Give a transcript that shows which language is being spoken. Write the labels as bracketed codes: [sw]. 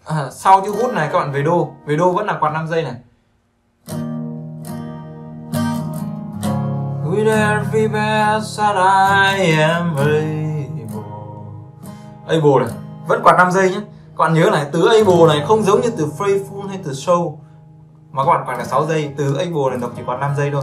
[vi] Sau chữ hút này các bạn về đô. Về đô vẫn là quạt 5 giây này. [en] With every breath that I am able. [vi] Able này vẫn quạt 5 giây nhé. Các bạn nhớ này, từ able này không giống như từ faithful hay từ show, mà các bạn quạt là 6 giây, từ able này đọc chỉ quạt 5 giây thôi.